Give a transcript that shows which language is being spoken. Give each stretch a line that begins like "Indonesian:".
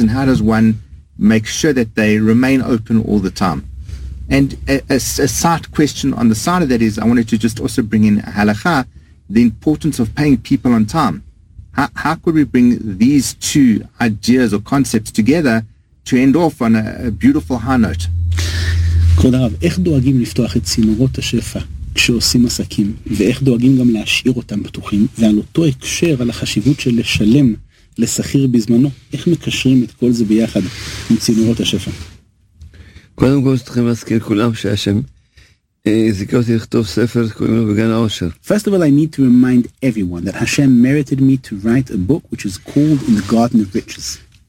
English: And how does one make sure that they remain open all the time? And a side question on the side of that is, I wanted to just also bring in halakha, the importance of paying people on time. How could we bring these two ideas or concepts together to end off on a beautiful high note?
Hebrew: כבוד הרב, איך דואגים לפתוח את צינורות השפע כשעושים עסקים, ואיך דואגים גם להשאיר אותם פתוחים, ועל אותו הקשר על החשיבות של לשלם לשכיר בזמנו, איך מקשרים את כל זה ביחד עם צינורות השפע? קודם כל, צריכים להזכיר כולם שהשם
English: First of all, I need to remind everyone that Hashem merited me to write a book which is called In the Garden of Riches.